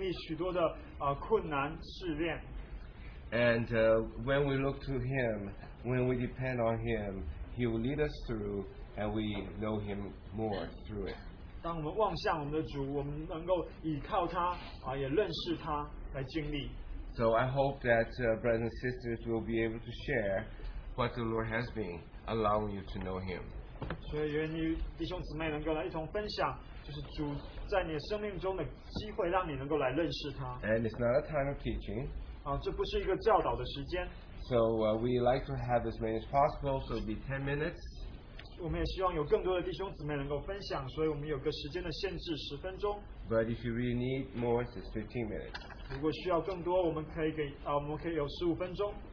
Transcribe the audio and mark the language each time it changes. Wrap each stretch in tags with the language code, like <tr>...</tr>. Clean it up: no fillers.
<zh>在我们的生活中，我们也都经历许多的困难试炼。</zh> <en>And when we look to Him, when we depend on Him, He will lead us through, and we know Him more through it.</en> <zh>当我们望向我们的主，我们能够依靠他，也认识他，来经历。</zh> <en>So I hope that brothers and sisters will be able to share what the Lord has been allowing you to know Him.</en> <zh>所以愿意弟兄姊妹能够来一同分享，就是主在你生命中的机会，让你能够来认识他。</zh> <en>And it's not a time of teaching.</en> <zh>这不是一个教导的时间。</zh> <en>So we like to have as many as possible, so it'll be 10 minutes.</en> <zh>我们也希望有更多的弟兄姊妹能够分享，所以我们有个时间的限制，10分钟。</zh> <en>But if you really need more, it's 15 minutes.</en> <zh>如果需要更多，我们可以有15分钟。</zh>